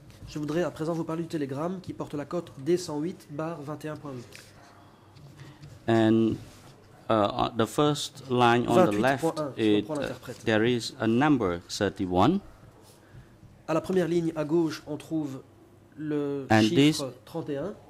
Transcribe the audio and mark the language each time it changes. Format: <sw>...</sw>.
<fr>Je voudrais à présent vous parler du télégramme qui porte la cote D108/21.8.</fr> <en>And the first line on the left, there is a number 31.</en> <fr>À la première ligne à gauche, on trouve le chiffre 31.</fr>